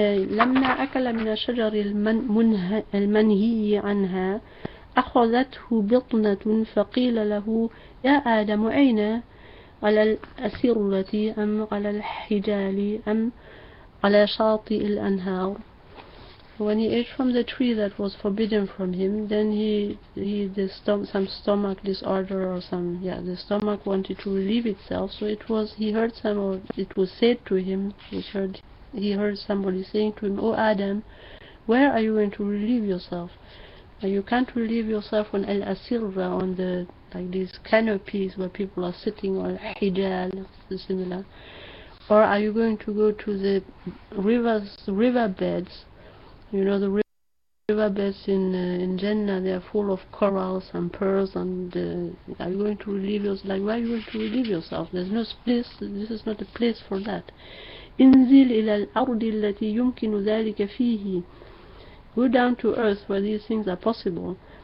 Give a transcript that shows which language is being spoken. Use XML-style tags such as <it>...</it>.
<ar>لما أكل من الشجر المنهي عنها أخذته بطنة فقيل له يا آدم أين على الأسرة أم على الحجال أم على شاطئ الأنهار.</ar> <en>When he ate from the tree that was forbidden from him, then some stomach disorder or some, yeah, the stomach wanted to relieve itself, so it was said to him, he heard somebody saying to him, oh Adam, where are you going to relieve yourself? You can't relieve yourself on Al Asirra, on the, like these canopies where people are sitting, or Hijal, similar. Or are you going to go to the riverbeds? You know, the riverbeds in Jannah, they are full of corals and pearls, and are you going to relieve yourself? Like, where are you going to relieve yourself? There's no place, this is not a place for that.</en> <ar>انزل إلى الأرض التي يمكن ذلك فيه.</ar> <en>Go down to earth where these things are possible.</en>